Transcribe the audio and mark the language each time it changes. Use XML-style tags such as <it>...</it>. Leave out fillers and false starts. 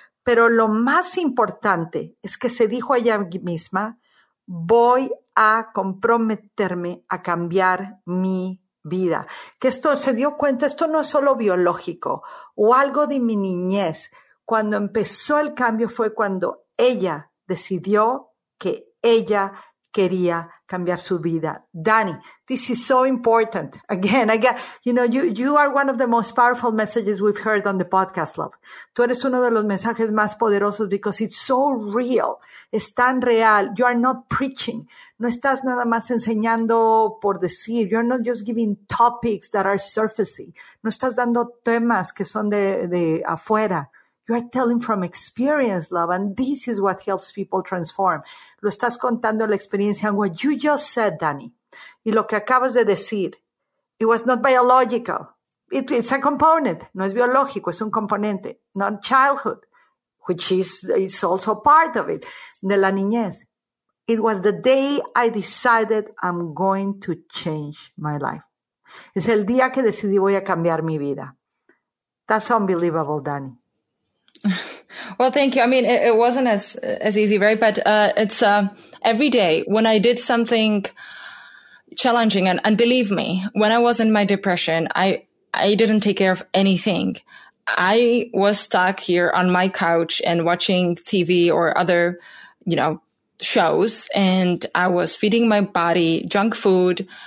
<es>Pero lo más importante es que se dijo a ella misma, voy a comprometerme a cambiar mi vida. Que esto se dio cuenta, esto no es solo biológico o algo de mi niñez. Cuando empezó el cambio fue cuando ella decidió que ella quería cambiar su vida.</es> <en>Dani, this is so important. Again, you are one of the most powerful messages we've heard on the podcast, love.</en> <es>Tú eres uno de los mensajes más poderosos</es> <en>because it's so real.</en> <es>Es tan real.</es> <en>You are not preaching.</en> <es>No estás nada más enseñando por decir.</es> <en>You're not just giving topics that are surfacey.</en> <es>No estás dando temas que son de afuera.</es> <en>You are telling from experience, love, and this is what helps people transform.</en> <es>Lo estás contando la experiencia.</es> <en>And what you just said,</en> <es>Dani, y lo que acabas de decir,</es> <en>it was not biological. It's a component.</en> <es>No es biológico, es un componente.</es> <en>Not childhood, which is also part of it,</en> <es>de la niñez.</es> <en>It was the day I decided I'm going to change my life.</en> <es>Es el día que decidí voy a cambiar mi vida.</es> <en>That's unbelievable, Dani. Well, thank you. I mean, it wasn't as easy, right? But it's every day when I did something challenging, and believe me, when I was in my depression, I didn't take care of anything. I was stuck here on my couch and watching TV or other, you know, shows, and I was feeding my body junk food</en>